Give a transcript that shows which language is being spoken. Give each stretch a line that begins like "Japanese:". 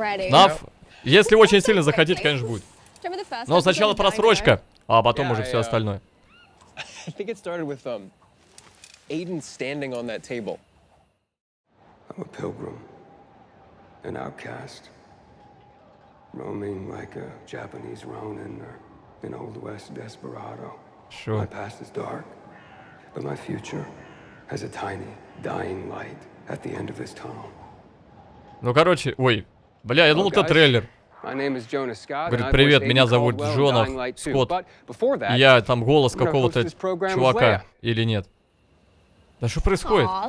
Russian: Нав, если очень сильно захотите, конечно, будет. Но сначала просрочка, а потом уже все остальное.
English: I think it started with Aiden standing on that table. I'm a pilgrim, an outcast, roaming like a Japanese Ronin or an old West desperado. Sure. My past is dark, but my future has a tiny, dying light at the end of this tunnel.
Russian: Ну короче, ой, бля, я думал, это трейлер.
English: My name is Jonas Scott.
Russian: Говорит, привет, меня зовут Джона Скотт. Я там голос какого-то чувака или нет? Да что происходит?